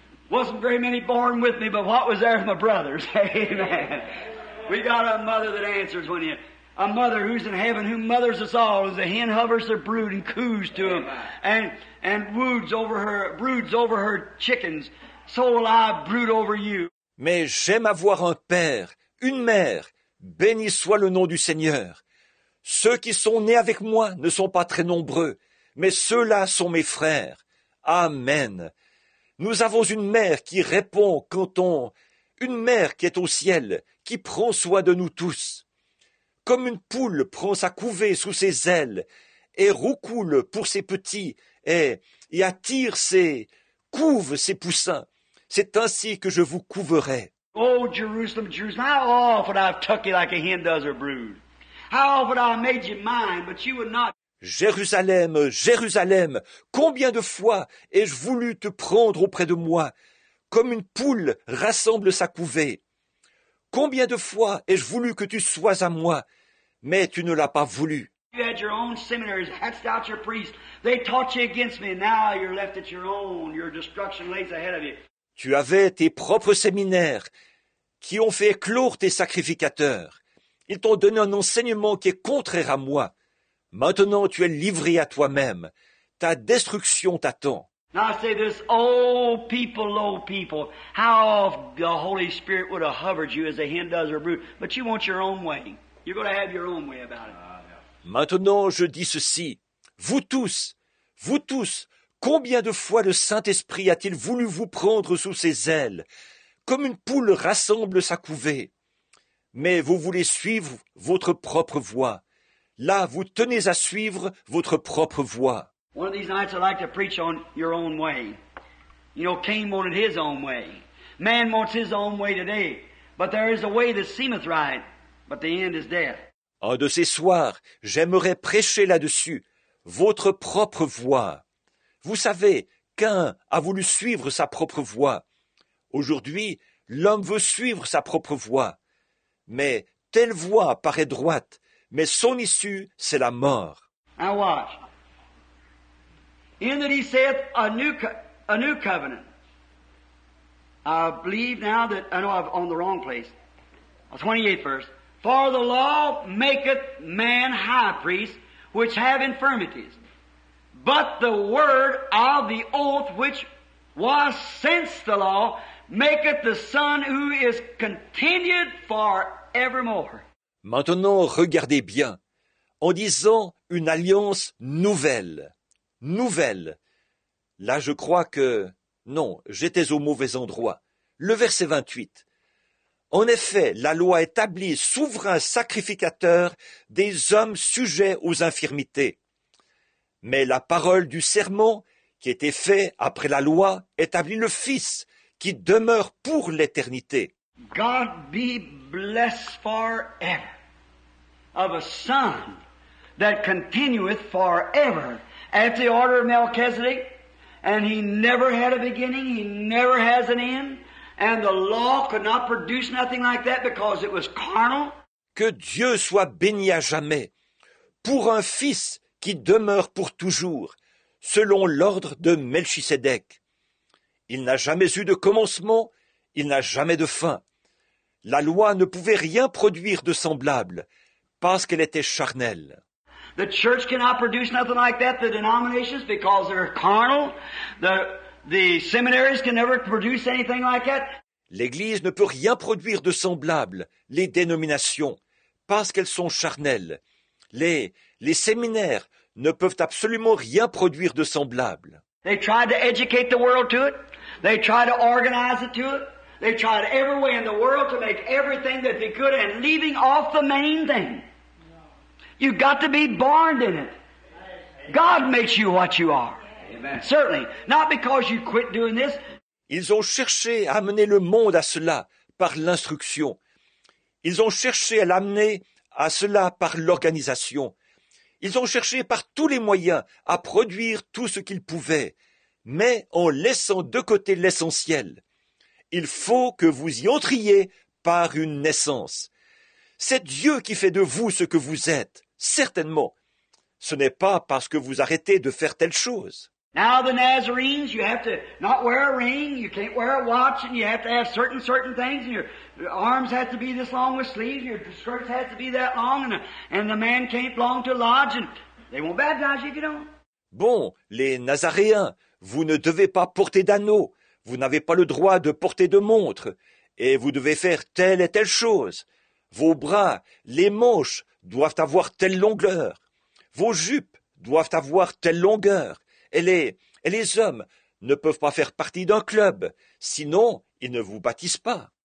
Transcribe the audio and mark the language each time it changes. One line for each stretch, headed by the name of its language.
English: Wasn't very many born with me, but what was there for my brothers? Amen. We got a mother that answers when you. A mother who's in heaven, who mothers us all, as the hen hovers her brood and coos to them, and broods over her chickens. So will I brood over you.
French: Mais j'aime avoir un père, une mère. Béni soit le nom du Seigneur. Ceux qui sont nés avec moi ne sont pas très nombreux, mais ceux-là sont mes frères. Amen. Nous avons une mère qui répond quand on... Une mère qui est au ciel, qui prend soin de nous tous. Comme une poule prend sa couvée sous ses ailes et roucoule pour ses petits et attire ses... couve ses poussins. C'est ainsi que je vous couverai.
English: Oh, Jerusalem, Jerusalem, how often I've tucked you like a hen does her brood. How often I've made you mine, but you would not...
French: Jérusalem, Jérusalem, combien de fois ai-je voulu te prendre auprès de moi, comme une poule rassemble sa couvée? Combien de fois ai-je voulu que tu sois à moi, mais tu ne l'as pas voulu?
English: You had your own seminaries, hatched out your priests. They taught you against me, and now you're left at your own. Your destruction lays ahead of you.
French: Tu avais tes propres séminaires qui ont fait éclore tes sacrificateurs. Ils t'ont donné un enseignement qui est contraire à moi. Maintenant, tu es livré à toi-même. Ta destruction t'attend.
English: Now I say this, oh people, oh people, how often the Holy Spirit would have hovered you as a hen does her brood, but you want your own way. You're going to have your own way about it.
French: Maintenant, je dis ceci. Vous tous, combien de fois le Saint-Esprit a-t-il voulu vous prendre sous ses ailes, comme une poule rassemble sa couvée? Mais vous voulez suivre votre propre voie. Là, vous tenez à suivre votre propre voie.
English: One of these nights, I'd like to preach on your own way. You know, Cain wanted his own way. Man wants his own way today. But there is a way that seemeth right, but the end is death.
French: Un de ces soirs, j'aimerais prêcher là-dessus votre propre voie. Vous savez, Cain a voulu suivre sa propre voie. Aujourd'hui, l'homme veut suivre sa propre voie. Mais telle voie paraît droite. Mais son issue, c'est la mort.
English: Now watch. In that he saith a new covenant. I believe now that, I know I'm on the wrong place. 28th verse. For the law maketh man high priest, which have infirmities. But the word of the oath, which was since the law, maketh the son who is continued forevermore.
French: Maintenant, regardez bien. En disant une alliance nouvelle. Nouvelle. Là, je crois que... Non, j'étais au mauvais endroit. Le verset 28. En effet, la loi établit souverain sacrificateur des hommes sujets aux infirmités. Mais la parole du serment, qui était fait après la loi, établit le Fils, qui demeure pour l'éternité.
English: God be blessed forever. Of a son that continueth forever at the order of Melchizedek, and he never had a beginning, he never has an end, and the law could not produce nothing like that because it was carnal.
French: Que Dieu soit béni à jamais pour un fils qui demeure pour toujours selon l'ordre de Melchisédek. Il n'a jamais eu de commencement, il n'a jamais de fin. La loi ne pouvait rien produire de semblable. Parce qu'elle était charnelle.
English: The church cannot produce nothing like that, the denominations, because they're carnal. The seminaries can never produce anything like that.
French: L'Église ne peut rien produire de semblable, les dénominations, parce qu'elles sont charnelles. Les séminaires ne peuvent absolument rien produire de semblable.
English: They tried to educate the world to it. They tried to organize it to it. They tried every way in the world to make everything that they could, and leaving off the main thing. You've got to be born in it. God makes you what you are. Amen. Certainly. Not because you quit doing this.
French: Ils ont cherché à amener le monde à cela par l'instruction. Ils ont cherché à l'amener à cela par l'organisation. Ils ont cherché par tous les moyens à produire tout ce qu'ils pouvaient, mais en laissant de côté l'essentiel. Il faut que vous y entriez par une naissance. C'est Dieu qui fait de vous ce que vous êtes, certainement. Ce n'est pas parce que vous arrêtez de faire telle chose.
English: Now the Nazarenes, you have to not wear a ring, you can't wear a watch, and you have to have certain things, and your arms have to be this long with sleeves, your skirts have to be that long, and the man can't belong to a lodge, and they won't baptize you if you don't.
French: Bon, les Nazaréens, vous ne devez pas porter d'anneau, vous n'avez pas le droit de porter de montre, et vous devez faire telle et telle chose. Vos bras, les manches, doivent avoir telle longueur. Vos jupes doivent avoir telle longueur. Et les hommes ne peuvent pas faire partie d'un club, sinon ils ne vous baptisent pas.